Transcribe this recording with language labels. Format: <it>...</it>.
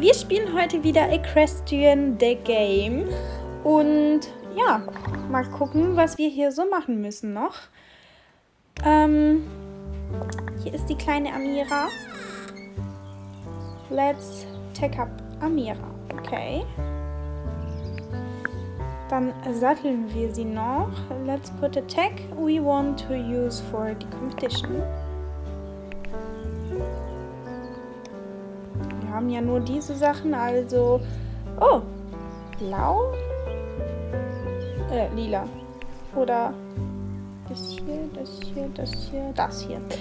<de>Wir spielen heute wieder Equestrian The Game und ja, mal gucken, was wir hier so machen müssen noch. Hier ist die kleine Amira.</de> <en>Let's take up Amira. Okay.</en> <de>Dann satteln wir sie noch.</de> <en>Let's put a tag we want to use for the competition.</en> <de>Wir haben ja nur diese Sachen, also... Oh! Blau? Lila. Oder das hier, das hier, das hier, das hier.</de>